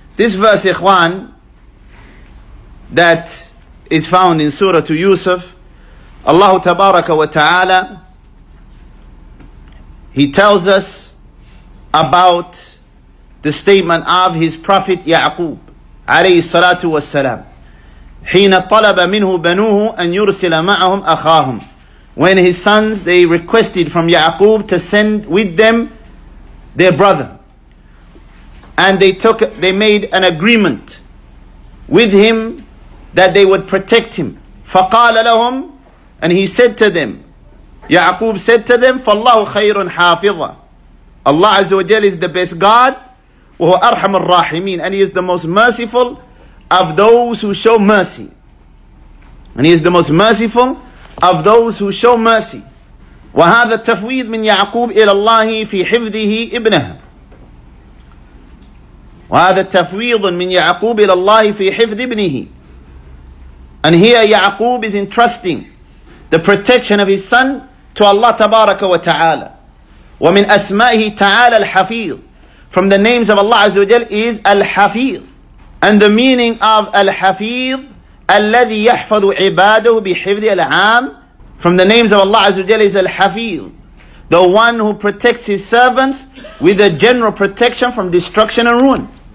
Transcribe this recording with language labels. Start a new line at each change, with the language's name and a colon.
English: This verse, Ikhwan, that is found in Surah to Yusuf, Allah Tabaraka wa Ta'ala, He tells us about the statement of His Prophet Ya'qub, alayhi salatu wa salam.
Arabic: حين طلب منه بنوه أن يرسل معهم أخاهم.
English: When his sons, they requested from Ya'qub to send with them their brother. And they made an agreement with him that they would protect him.
Arabic: فقال لهم,
English: and he said to them, Ya'qub said to them,
Arabic: فالله خير حافظة.
English: Allah Azza wa Jal is the best God,
Arabic: وهو أرحم الراحمين,
English: and He is the most merciful of those who show mercy. And He is the most merciful of those who show mercy.
Arabic: وهذا التفويض من يعقوب إلى الله في حفظه ابنه. وهذا التفويض من يعقوب إلى الله في حفظ ابنه.
English: And here يعقوب is entrusting the protection of his son to Allah
Arabic: تبارك وتعالى. ومن أسمائه تعالى الحفيظ.
English: From the names of Allah
Arabic: عز وجل
English: is الحفيظ. And the meaning of Al-Hafidh,
Arabic: الَّذِي يَحْفَظُ عِبَادَهُ بِحِفْظِ الْعَامِ.
English: From the names of Allah Azza wa Jalla is Al-Hafidh, the one who protects his servants with a general protection from destruction and ruin.